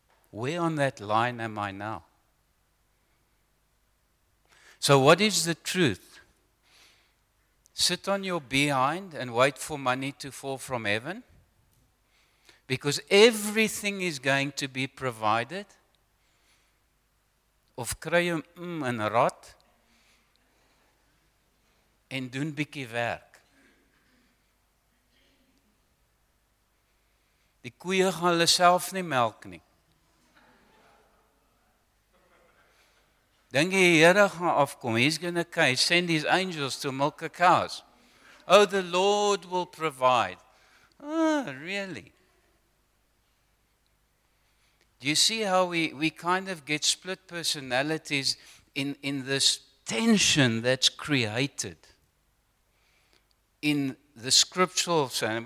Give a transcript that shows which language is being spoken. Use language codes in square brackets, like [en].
[en] Where on that line am I now? So what is the truth? Sit on your behind and wait for money to fall from heaven? Because everything is going to be provided. [af] Of kry jy en rot en doen bietjie werk. Die koeie gaan hulle self nie melk nie. Dink jy die Here gaan afkom? [en] He's going to come. He send his angels to milk the cows. Oh, the Lord will provide. Oh, really? Do you see how we kind of get split personalities in this tension that's created in the scriptural saying?